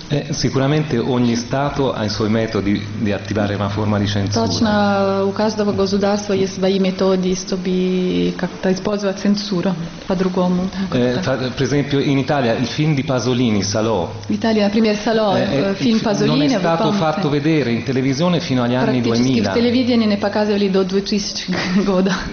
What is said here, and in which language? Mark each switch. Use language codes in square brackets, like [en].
[it] Sicuramente ogni Stato ha i suoi metodi di attivare una forma di censura. [ru] Точно, у каждого государства есть свои методы, чтобы как-то использовать цензуру по-другому. [it] Per esempio, in Italia, il film di Pasolini, Salò. [ru] Italia, например, Salò, film Pasolini. [it] Non è stato fatto vedere in televisione fino agli anni 2000. [ru] Практически в телевидении не показывали до 2000 года.